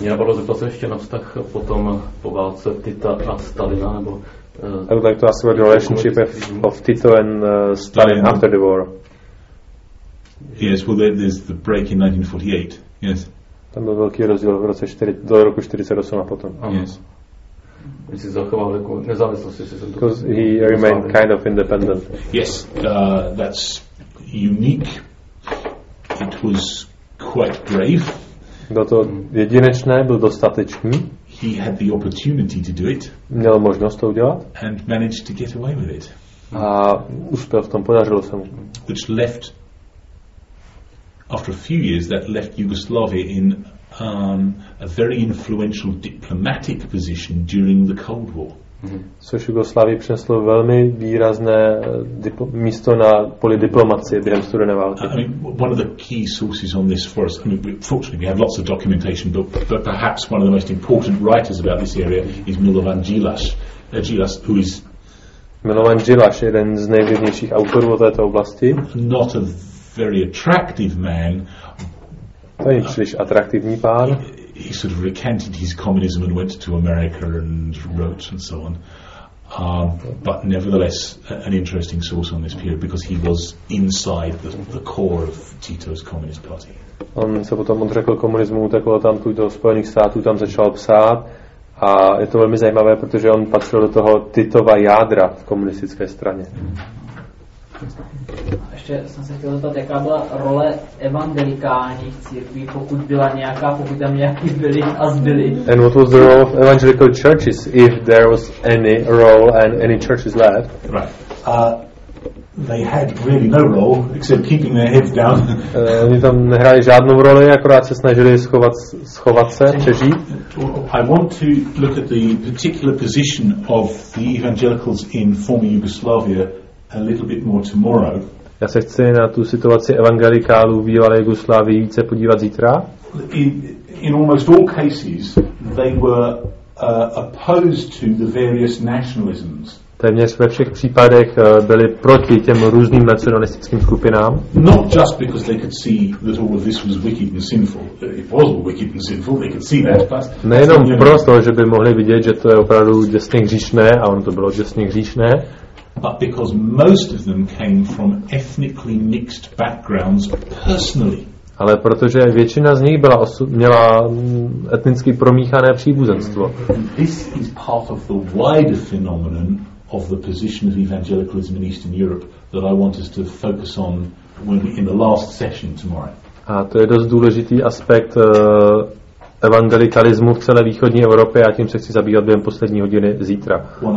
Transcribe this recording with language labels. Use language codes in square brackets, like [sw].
[cs] Mě napadlo zeptat se ještě na vztah potom po válce Tita a Stalina, nebo... [en] I would like to ask about the relationship of Tito and Stalin after the war. Yes, well, there's the break in 1948, yes. [cs] Tam byl velký rozdíl v roce do roku 48 a potom. [en] Yes. [cs] Když si zachoval jako nezávislost, jestli jsem to... [en] Because he remained kind of independent. Yes, that's unique. It was quite brave. [cs] Byl to jedinečné, byl dostatečný. [en] He had the opportunity to do it. [cs] Měl možnost to udělat. [en] And managed to get away with it. [cs] A uspěl v tom, podařilo se mu. [en] Which left, after a few years, that left Yugoslavia in a very influential diplomatic position during the Cold War. [cs] Což Jugoslávii přineslo velmi výrazné místo na poli diplomacie během studené války. [en] I mean, one of the key sources on this for us, I mean, fortunately we have lots of documentation, but perhaps one of the most important writers about this area is Milovan Gilas, who is [cs] Milovan Gilas, jeden z nejvlivnějších autorů o této oblasti. [en] Not a very attractive man. [cs] To je příliš atraktivní pán. [en] He sort of recanted his communism and went to America and wrote and so on. But nevertheless, an interesting source on this period because he was inside the core of Tito's communist party. [cs] On se potom odřekl komunismu, utekl tam do Spojených států, tam začal psát. A je to velmi zajímavé, protože on patřil do toho Titova jádra v komunistické straně. Ještě jsem se chtěl zeptat, jaká byla role evangelikálních církví, pokud byla nějaká, pokud tam nějaký byli a zbyli. [en] And what was the role of evangelical churches, if there was any role and any churches left? Right. They had really no role, except keeping their heads down. [cs] Oni tam nehráli žádnou roli, akorát se snažili schovat se, přežít. [en] I want to look at the particular position of the evangelicals in former Yugoslavia a little bit more tomorrow. [cs] Já se chci na tu situaci evangelikálů v bývalé Jugoslávii více podívat zítra. [en] In almost all cases they were opposed to the various nationalisms. [cs] Téměř ve všech případech byli proti těm různým nacionalistickým skupinám. [en] Not just because they could see that all of this was wicked and sinful. It was all wicked and sinful. They could see that. [cs] Nejenom proto, že by mohli vidět, že to je opravdu děsně hříšné, a ono to bylo děsně hříšné. [en] But because most of them came from ethnically mixed backgrounds personally. [cs] Ale protože většina z nich byla měla etnicky promíchané příbuzenstvo. [en] This is part of the wider phenomenon of the position of evangelicalism in Eastern Europe that I want us to focus on when in the last session tomorrow. [cs] A to je dost důležitý aspekt evangelikalismu v celé východní Evropě, a tím se chci zabývat během poslední hodiny zítra.